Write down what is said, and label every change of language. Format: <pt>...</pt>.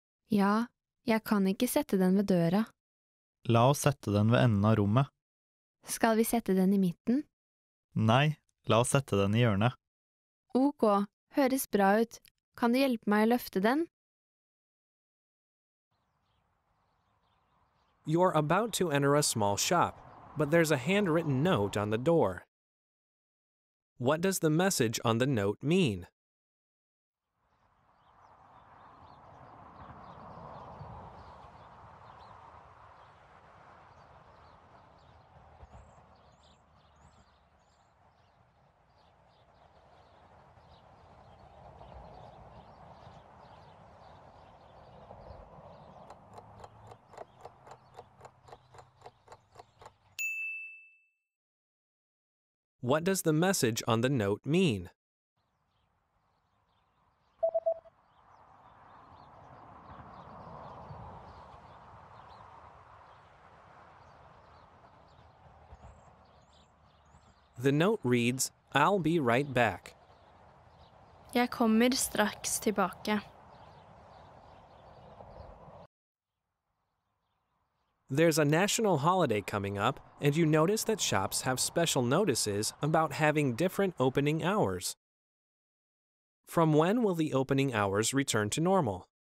<no>Ja, jeg kan ikke sette den ved døra. La oss sette den ved enden av rommet. Skal vi sette den i midten? Nei, la oss sette den i hjørnet. Ok, høres bra ut. Kan du hjelpe meg å løfte den?</no> <en>You're about to enter a small shop. But there's a handwritten note on the door. What does the message on the note mean? What does the message on the note mean? The note reads, I'll be right back.</en> <no>Jeg kommer straks tilbake.</no> <en>There's a national holiday coming up, and you notice that shops have special notices about having different opening hours. From when will the opening hours return to normal?</en>